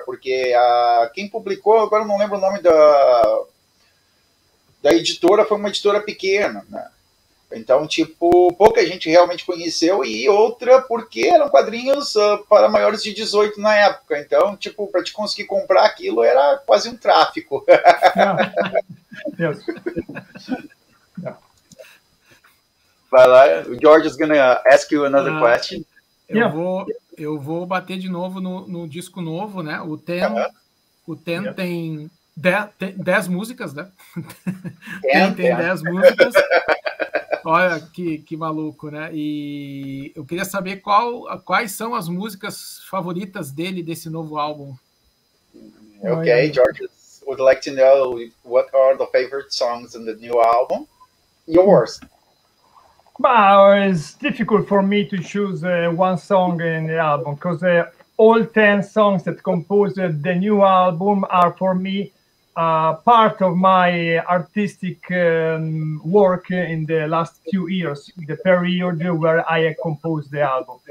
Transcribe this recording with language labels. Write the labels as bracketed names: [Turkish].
[Portuguese] Porque quem publicou, agora não lembro o nome da editora, foi uma editora pequena, né? Então, tipo, pouca gente realmente conheceu, e outra porque eram quadrinhos para maiores de 18 na época. Então, tipo, para te conseguir comprar aquilo era quase um tráfico. Não. [English] Yes. [Portuguese] Vai lá, o [English] George is gonna ask you another question. [Portuguese] Eu vou bater de novo no disco novo, né? O Ten, uh-huh. O Ten, yes. Tem 10 músicas, né? Tem 10 músicas. Olha que maluco, né? E eu queria saber quais são as músicas favoritas dele desse novo álbum. [English] Okay, George would like to know what are the favorite songs in the new album. Yours. Well, it's difficult for me to choose one song in the album, because all 10 songs that composed the new album are for me part of my artistic work in the last few years, the period where I composed the album.